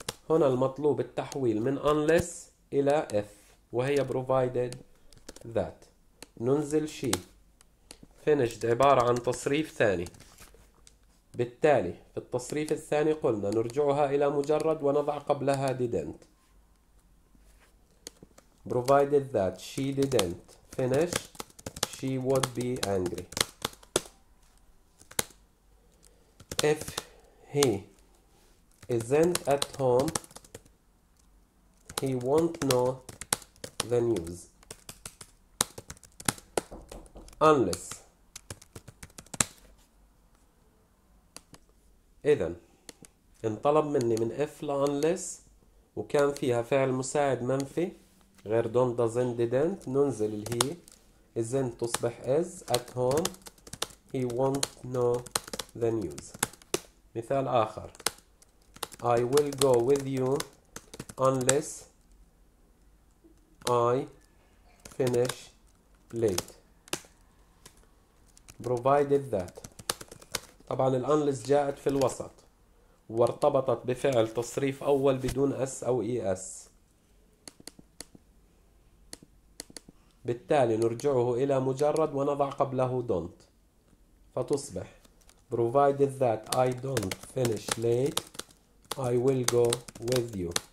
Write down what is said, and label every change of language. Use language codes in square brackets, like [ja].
[ar] هنا المطلوب التحويل من unless إلى if، وهي [en] provided that. [ar] ننزل [en] she finished [ar] عبارة عن تصريف ثاني، بالتالي في التصريف الثاني قلنا نرجعها إلى مجرد ونضع قبلها didn't. [en] Provided that she didn't finish she would be angry. If he isn't at home he won't know the news. Unless. [ar] إذن إن طلب مني من if ل unless وكان فيها فعل مساعد منفي غير don't doesn't didn't، ننزل ال [en] he isn't [ar] تصبح is، [en] at home he won't know the news. مثال آخر I will go with you unless I finish late provided that. [ar] طبعا ال unless جاءت في الوسط وارتبطت بفعل تصريف أول بدون s أو es، بالتالي نرجعه إلى مجرد ونضع قبله don't، فتصبح [en] provided that I don't finish late I will go with you.